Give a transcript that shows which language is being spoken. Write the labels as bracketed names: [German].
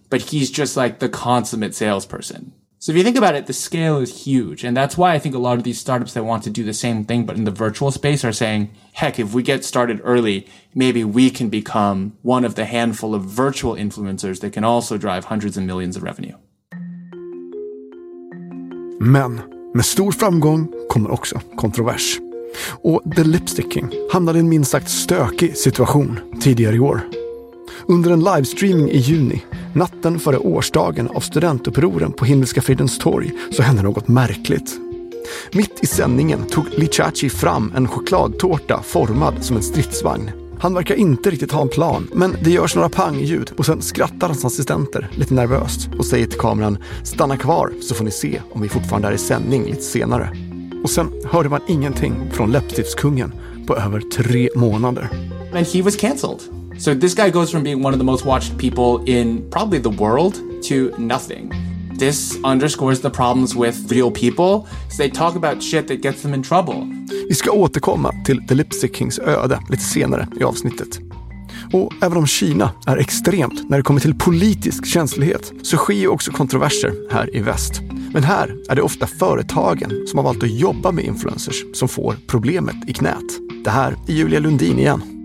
[English] But he's just like the consummate salesperson. So if you think about it, the scale is huge. And that's why I think a lot of these startups that want to do the same thing but in the virtual space are saying, heck, if we get started early, maybe we can become one of the handful of virtual influencers that can also drive hundreds of millions of revenue. [Swedish] Men med stor framgång kommer också kontrovers. Och The Lipstick King hamnade i en minst sagt stökig situation tidigare i år. Under en livestreaming i juni, natten före årsdagen av studentupproren på Himmelska fridens torg, så hände något märkligt. Mitt i sändningen tog Lichachi fram en chokladtårta formad som en stridsvagn. Han verkar inte riktigt ha en plan, men det görs några pangljud och sen skrattar hans assistenter lite nervöst och säger till kameran, stanna kvar så får ni se om vi fortfarande är i sändning lite senare. Och sen hörde man ingenting från läppstiftskungen på över 3 månader. [English] And he was cancelled. So this guy goes from being one of the most watched people in probably the world to nothing. This underscores the problems with real people. So they talk about shit that gets them in trouble. [Swedish] Vi ska återkomma till The Lipstick Kings öde lite senare i avsnittet. Och även om Kina är extremt när det kommer till politisk känslighet, så sker ju också kontroverser här i väst. Men här är det ofta företagen som har valt att jobba med influencers som får problemet i knät. Det här är Julia Lundin igen.